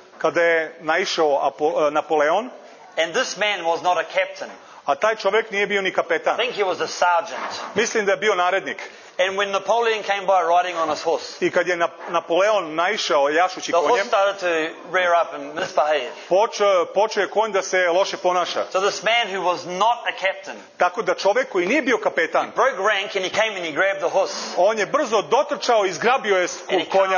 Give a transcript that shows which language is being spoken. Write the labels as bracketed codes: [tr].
[sr] kada je naišao Napoleon, [en] and this man was not a captain. [sr] A taj čovjek nije bio ni kapetan. [en] Think he was a sergeant. [sr] Mislim da je bio narednik. [en] And when Napoleon came by riding on his horse. [sr] I kad je Napoleon naišao jašući konjem. [en] The horse started to rear up and misbehave. [sr] Počeo je konj da se loše ponaša. [en] So this man who was not a captain. [sr] Tako da čovjek koji nije bio kapetan. [en] He broke rank and he came and he grabbed the horse. [sr] On je brzo dotrčao i zgrabio je konja.